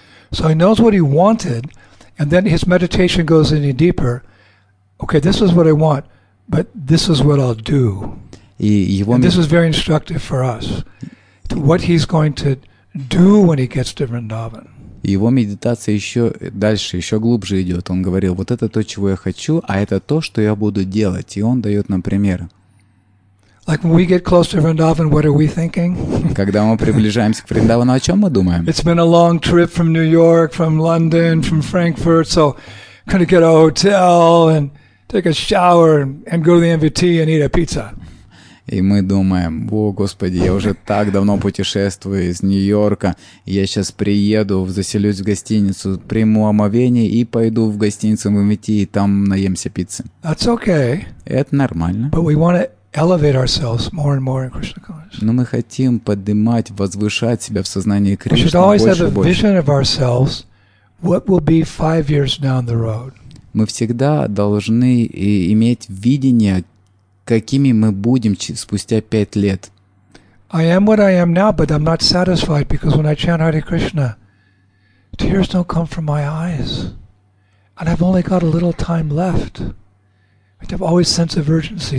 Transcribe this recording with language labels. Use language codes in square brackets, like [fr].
[en] So he knows what he wanted, and then his meditation goes any deeper. Okay, this is what I want, but this is what I'll do. And this is very instructive for us to what he's going to do when he gets to Vrindavan. [ru] Его медитация еще дальше, еще глубже идет. Он говорил, вот это то, чего я хочу, а это то, что я буду делать. И он дает нам примеры. [en] Like when we get close to Vrindavan, what are we thinking? [ru] Когда мы приближаемся к Вриндавану, о чем мы думаем? [en] It's been a long trip from New York, from London, from Frankfurt, so gonna get a hotel and take a shower and go to the MVT and eat a pizza. [ru] И мы думаем, о, Господи, я уже так давно путешествую из Нью-Йорка, я сейчас приеду, заселюсь в гостиницу, приму омовение и пойду в гостиницу в МВТ, и там наемся пиццы. [en] That's okay. [ru] Это нормально. [en] But we want to elevate ourselves more and more in Krishna consciousness. [ru] Но мы хотим поднимать, возвышать себя в сознании Кришны больше и больше. [en] We should always have a vision of ourselves, what will be 5 years down the road. [ru] Мы всегда должны иметь видение, какими мы будем спустя 5 лет. [en] I am what I am now, but I'm not satisfied because when I chant Hare Krishna, tears don't come from my eyes. And I've only got a little time left. I have always a sense of urgency.